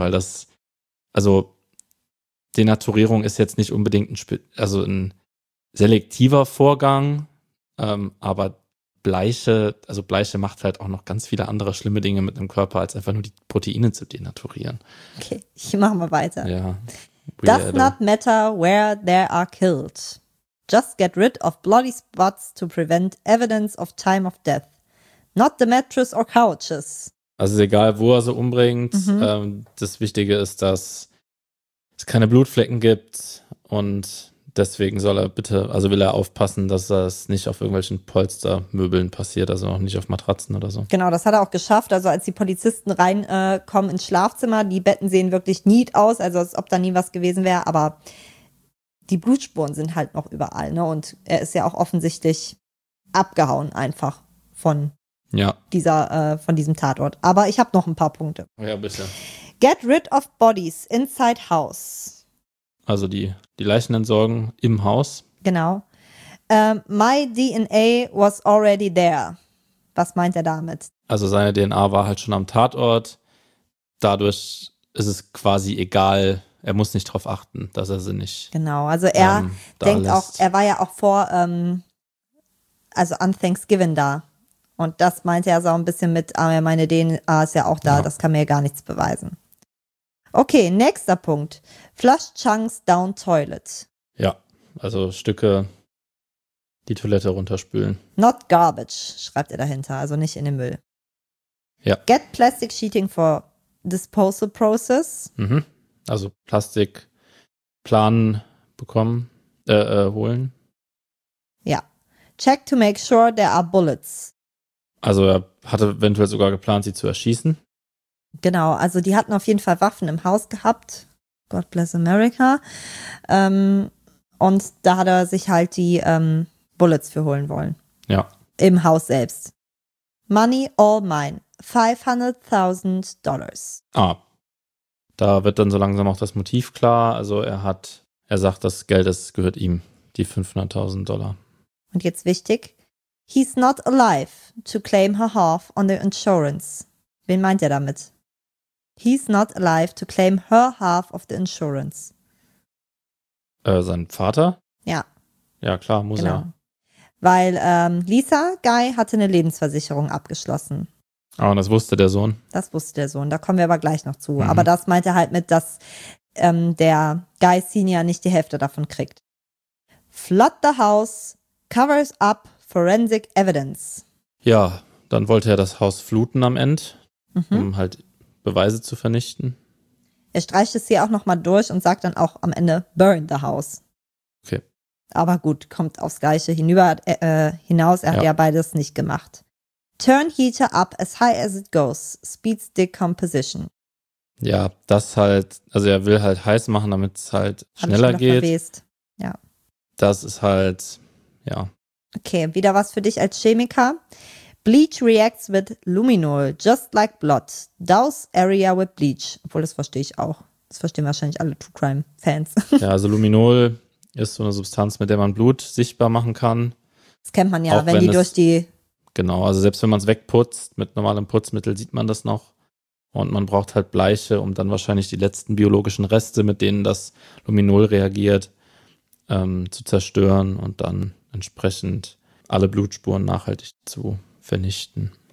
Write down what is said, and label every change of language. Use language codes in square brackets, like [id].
[de] Weil das, also Denaturierung ist jetzt nicht unbedingt ein selektiver Vorgang. Aber Bleiche macht halt auch noch ganz viele andere schlimme Dinge mit dem Körper, als einfach nur die Proteine zu denaturieren. Okay, ich mache mal weiter. Ja. [en] Does not matter where they are killed. Just get rid of bloody spots to prevent evidence of time of death. Not the mattress or couches. [de] Also ist egal, wo er sie umbringt. Mhm. Das Wichtige ist, dass es keine Blutflecken gibt und deswegen soll er bitte, also will er aufpassen, dass das nicht auf irgendwelchen Polstermöbeln passiert, also auch nicht auf Matratzen oder so. Genau, das hat er auch geschafft. Also als die Polizisten reinkommen ins Schlafzimmer, die Betten sehen wirklich neat aus, also als ob da nie was gewesen wäre. Aber die Blutspuren sind halt noch überall, ne? Und er ist ja auch offensichtlich abgehauen einfach von von diesem Tatort. Aber ich habe noch ein paar Punkte. Ja, bitte. [en] Get rid of bodies inside house. [de] Also die Leichen entsorgen im Haus. Genau. [en] My DNA was already there. [de] Was meint er damit? Also seine DNA war halt schon am Tatort. Dadurch ist es quasi egal. Er muss nicht darauf achten, dass er sie nicht. Genau, also er denkt lässt. Auch, er war ja auch vor, also an Thanksgiving da. Und das meinte er so ein bisschen mit, aber meine DNA ist ja auch da, ja. Das kann mir ja gar nichts beweisen. [en] Okay, [de] nächster Punkt. [en] Flush Chunks down toilet. [de] Ja, also Stücke die Toilette runterspülen. [en] Not garbage, [de] schreibt er dahinter, also nicht in den Müll. Ja. [en] Get plastic sheeting for disposal process. [de] Mhm. Also Plastikplan bekommen, holen. Ja. [en] Check to make sure there are bullets. [de] Also er hatte eventuell sogar geplant, sie zu erschießen. Genau, also die hatten auf jeden Fall Waffen im Haus gehabt. [en] God bless America. [de] Und da hat er sich halt die Bullets für holen wollen. Ja. Im Haus selbst. [en] Money all mine. $500,000. Ah. [de] Da wird dann so langsam auch das Motiv klar. Also er sagt, das Geld, das gehört ihm. Die $500,000. Und jetzt wichtig. [en] He's not alive to claim her half on the insurance. [de] Wen meint er damit? [en] He's not alive to claim her half of the insurance. [de] Sein Vater? Ja. Ja, klar, muss genau. Er. Weil Lisa Guy hatte eine Lebensversicherung abgeschlossen. Ah, oh, und das wusste der Sohn? Das wusste der Sohn, da kommen wir aber gleich noch zu. Mhm. Aber das meinte halt mit, dass der Guy Senior nicht die Hälfte davon kriegt. [en] Flood the house, covers up forensic evidence. [de] Ja, dann wollte er das Haus fluten am Ende, um halt Beweise zu vernichten. Er streicht es hier auch nochmal durch und sagt dann auch am Ende, [en] burn the house. [de] Okay. Aber gut, kommt aufs Gleiche hinaus, er hat ja beides nicht gemacht. [en] Turn heater up as high as it goes, speeds decomposition. [de] Ja, das halt, also er will halt heiß machen, damit es halt schneller geht. Verwest. Ja. Das ist halt, ja. Okay, wieder was für dich als Chemiker. [en] Bleach reacts with luminol, just like blood. Douse area with bleach. [de] Obwohl, das verstehe ich auch. Das verstehen wahrscheinlich alle True Crime Fans. Ja, also Luminol ist so eine Substanz, mit der man Blut sichtbar machen kann. Das kennt man ja, auch wenn die durch die... Genau, also selbst wenn man es wegputzt, mit normalem Putzmittel sieht man das noch. Und man braucht halt Bleiche, um dann wahrscheinlich die letzten biologischen Reste, mit denen das Luminol reagiert, zu zerstören und dann entsprechend alle Blutspuren nachhaltig zu vernichten.